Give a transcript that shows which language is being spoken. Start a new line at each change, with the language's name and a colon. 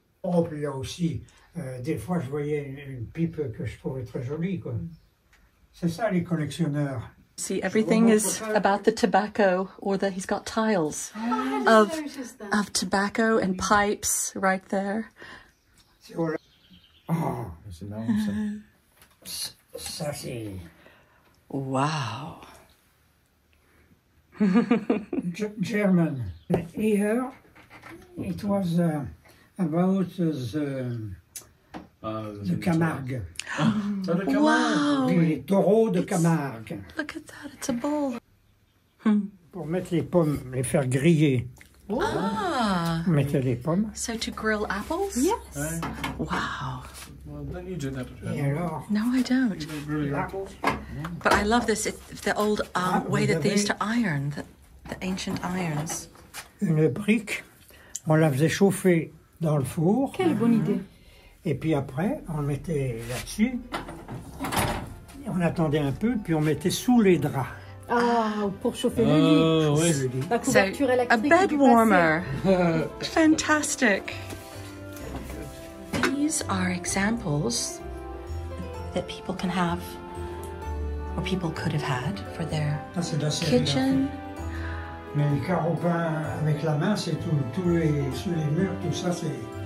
French: Oh, puis là aussi, des fois, je voyais une pipe que je trouvais très jolie, quoi. C'est ça, les collectionneurs.
English: See, everything is about the tobacco, or that he's got tiles of tobacco and pipes right there. Oh,
French: c'est énorme, ça.
English: Wow. German. Here, it was about the Camargue. Oh, the Camargue.
French: Wow. Oui, les taureaux de Camargue.
English: Look at that, it's a bull.
French: Pour mettre les pommes, les faire griller. Oh. Ah. Mettez les pommes.
English: So to grill apples? Yes. Right. Wow. Well, don't you do that? No, I don't. But I love this, the old way that they used to iron, the ancient irons.
French: Une brique, on la faisait chauffer dans le four. Quelle bonne idée. Et puis après, on mettait là-dessus, on attendait un peu, puis on mettait sous les draps. Ah, pour chauffer le lit. Oui. La couverture
English: so,
French: électrique.
English: A bed warmer. Fantastic. These are examples that people can have, or people could have had, for their kitchen.
French: Mais le carreau peint avec la main, c'est tous les sous les murs, tout ça, c'est.